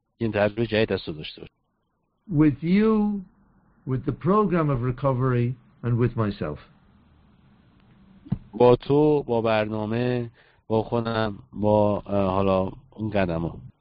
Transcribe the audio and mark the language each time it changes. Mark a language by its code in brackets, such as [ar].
[fa] این تجربه جدید است داشته باشم. [en] With you, with the program of recovery, and with myself. [fa] با تو، با برنامه، با خودم، با حالا اون قدم ها.